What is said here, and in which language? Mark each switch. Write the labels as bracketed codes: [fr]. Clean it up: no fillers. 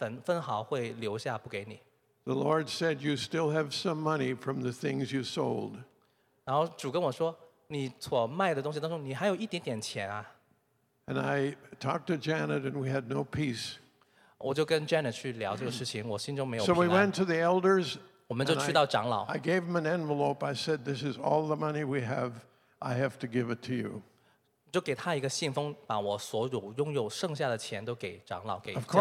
[zh] 我向主说，我没有一分一毫会留下不给你。 [en] The Lord said, "You still have some money from the things you sold." [zh] 然后主跟我说，你所卖的东西当中，你还有一点点钱啊。 [en] And I talked to Janet, and we had no peace. [zh] 我就跟 Janet 去聊这个事情，我心中没有。 [en] So we went to the elders. [zh] 我们就去到长老。 [en] I gave him an envelope. I said, "This is all the money we have. I have to give it to you." [zh] 就给他一个信封，把我所有拥有剩下的钱都给长老，给教会。